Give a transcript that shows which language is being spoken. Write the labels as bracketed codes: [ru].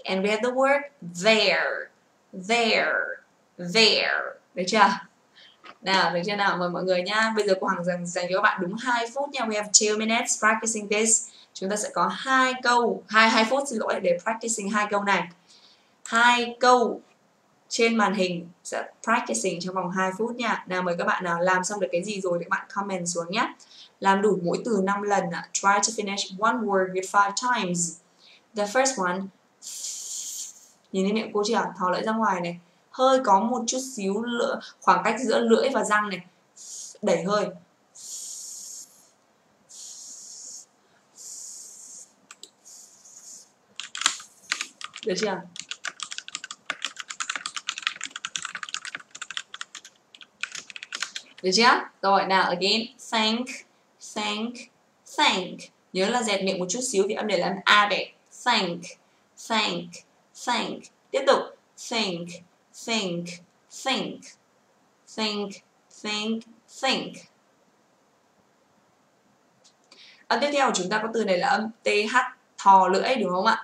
[en] And we have the word there, there, there. [vi] Được chưa? Nào, được chưa nào? Mời mọi người nha. Bây giờ cô Hằng dành cho các bạn đúng 2 phút nha. [en] We have 2 minutes practicing this. [vi] Chúng ta sẽ có 2 câu, 2 phút xin lỗi để practicing 2 câu này. 2 câu trên màn hình sẽ practicing trong vòng 2 phút nha. Nào mời các bạn nào làm xong được cái gì rồi để các bạn comment xuống nhé. Làm đủ mỗi từ 5 lần ạ. [en] Try to finish one word with 5 times. The first one. [vi] Nhìn thấy miệng cô chưa? Thò lưỡi ra ngoài này. Hơi có một chút xíu khoảng cách giữa lưỡi và răng này. Đẩy hơi. Được chưa? Được chưa? Rồi, nào, again, thank, thank, thank. Nhớ là dẹt miệng một chút xíu thì âm này là âm A đấy. [en] Thank, thank, thank. [vi] Tiếp tục, think, think, think, think, think, think. Âm tiếp theo của chúng ta có từ này là âm TH, thò lưỡi, đúng không ạ?